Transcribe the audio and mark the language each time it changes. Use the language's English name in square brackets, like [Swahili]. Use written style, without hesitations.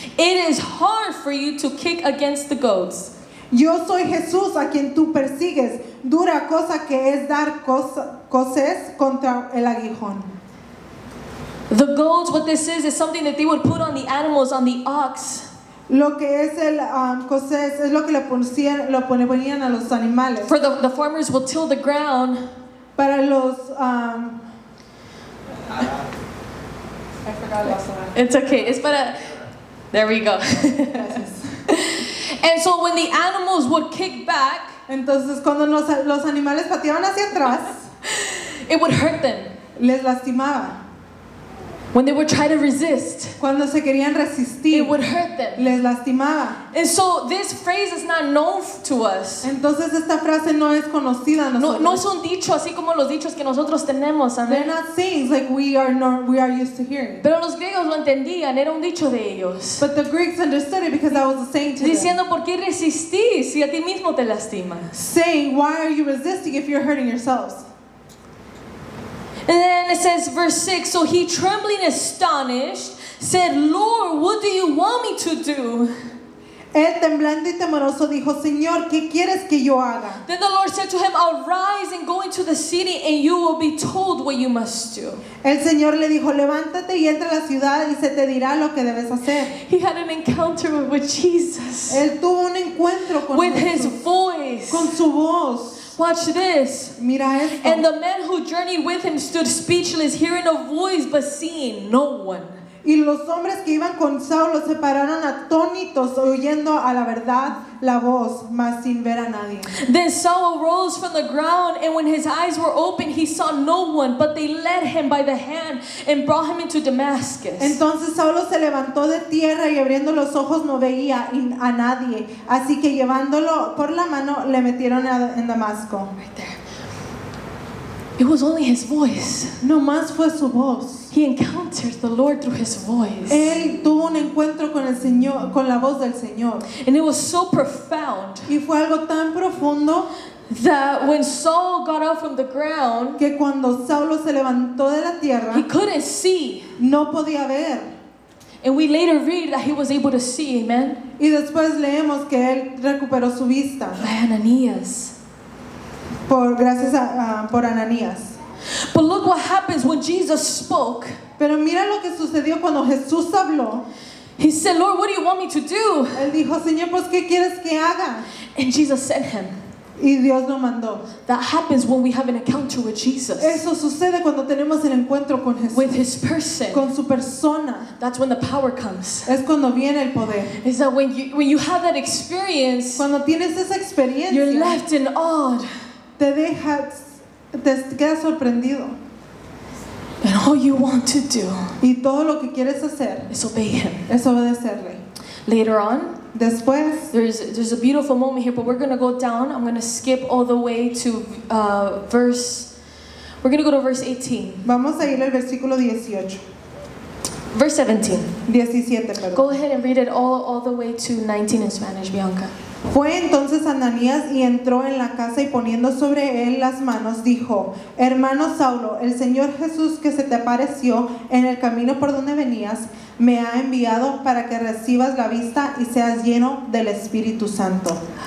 [English] It is hard for you to kick against the goats. [Spanish] Yo soy Jesús a quien tú persigues. Dura cosa que es dar coces contra el aguijón. [English] The goats, what this is something that they would put on the animals, on the ox. [Spanish] Lo que es el coces es lo que le ponían, lo ponían a los animales. [English] For the farmers will till the ground. [Spanish] Para los [English] I forgot last one. It's okay. It's para. There we go. And so when the animals would kick back, [Spanish] entonces cuando los animales pateaban hacia atrás, [English] it would hurt them. [Spanish] Les lastimaba. [English] When they would try to resist, [Spanish] cuando se querían resistir, [English] it would hurt them. [Spanish] Les lastimaba. [English] And so this phrase is not known to us. [Spanish] Entonces esta frase no es conocida a nosotros. No, no es un dicho así como los dichos que nosotros tenemos. ¿Amen? [English] They're not sayings like we are used to hearing. [Spanish] Pero los griegos lo entendían. Era un dicho de ellos. [English] But the Greeks understood it because that was a saying to them. [Spanish] Diciendo, ¿por qué resistís si a ti mismo te lastimas? [English] Saying, why are you resisting if you're hurting yourselves? And then it says, verse 6, so he, trembling, astonished, said, Lord, what do you want me to do? [Spanish] Él, temblando y temeroso, dijo, Señor, ¿qué quieres que yo haga? [English] Then the Lord said to him, arise and go into the city, and you will be told what you must do. [Spanish] El Señor le dijo, levántate y entra a la ciudad, y se te dirá lo que debes hacer. [English] He had an encounter with Jesus. [Spanish] Él tuvo un encuentro con [English] with Jesús. His voice. [Spanish] Con su voz. [English] Watch this. [Spanish] Mira esto. [English] And the men who journeyed with him stood speechless, hearing a voice but seeing no one. [Spanish] Y los hombres que iban con Saulo se pararon atónitos, oyendo a la verdad la voz, mas sin ver a nadie. [English] Then Saul rose from the ground, and when his eyes were opened, he saw no one, but they led him by the hand and brought him into Damascus. [Spanish] Entonces Saulo se levantó de tierra y abriendo los ojos no veía a nadie, así que llevándolo por la mano le metieron en Damasco. [English] It was only his voice. [Spanish] No más fue su voz. [English] He encountered the Lord through his voice. [Spanish] Él tuvo un encuentro con el Señor, con la voz del Señor. [English] And it was so profound. [Spanish] Y fue algo tan profundo [English] that when Saul got up from the ground, [Spanish] que cuando Saulo se levantó de la tierra, [English] he couldn't see. [Spanish] No podía ver. [English] And we later read that he was able to see. Amen. [Spanish] Y después leemos que él recuperó su vista. [English] By Ananias. [Spanish] Por Ananias. [English] But look what happens when Jesus spoke. [Spanish] Pero mira lo que sucedió cuando Jesús habló. [English] He said, Lord, what do you want me to do? [Spanish] Él dijo, Señor, pues, ¿qué quieres que haga? [English] And Jesus sent him. [Spanish] Y Dios lo mandó. [English] That happens when we have an encounter with Jesus. [Spanish] Eso sucede cuando tenemos el encuentro con Jesús. [English] With his person. [Spanish] Con su persona. [English] That's when the power comes. [Spanish] Es cuando viene el poder. [English] Is that when you have that experience, [Spanish] cuando tienes esa experiencia, [English] you're left in awe. [Spanish] Te dejas, te quedas sorprendido. [English] And all you want to do, [Spanish] y todo lo que quieres hacer, [English] is obey him. [Spanish] Es obedecerle. [English] Later on, [Spanish] después, [English] there's a beautiful moment here, but we're going to go down. I'm going to skip all the way to we're going to go to verse 18. [Spanish] Vamos a ir al versículo 18. [English] Verse 17. [Spanish] 17, perdón. [English] Go ahead and read it all the way to 19 in Spanish, Bianca. [Spanish] Fue entonces Ananías y entró en la casa y poniendo sobre él las manos dijo, hermano Saulo, el Señor Jesús que se te apareció en el camino por donde venías me ha enviado para que recibas la vista y seas lleno del Espíritu Santo.